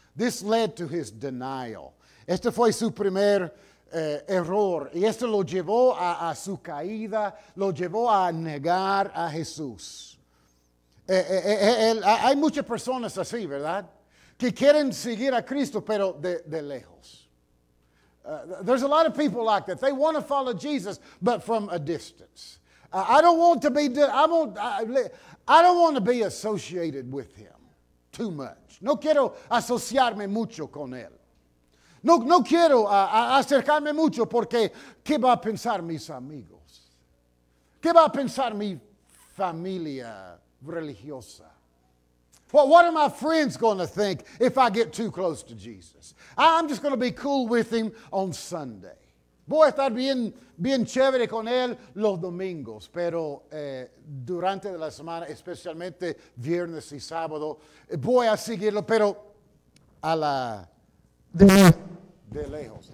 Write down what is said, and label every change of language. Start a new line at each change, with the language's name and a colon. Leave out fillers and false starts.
English: This led to his denial.
Spanish: Este fue su primer error. Y esto lo llevó a su caída, lo llevó a negar a Jesús. Hay muchas personas así, ¿verdad? Que quieren seguir a Cristo, pero de lejos.
English: There's a lot of people like that. They want to follow Jesus, but from a distance. I don't want to be associated with him. too much.
Spanish: No quiero asociarme mucho con él. No quiero acercarme mucho porque ¿qué va a pensar mis amigos? ¿Qué va a pensar mi familia religiosa?
English: Well, what are my friends going to think if I get too close to Jesus? I'm just going to be cool with him on Sunday.
Spanish: Voy a estar bien chévere con él los domingos, pero durante la semana, especialmente viernes y sábado, voy a seguirlo, pero a la de lejos.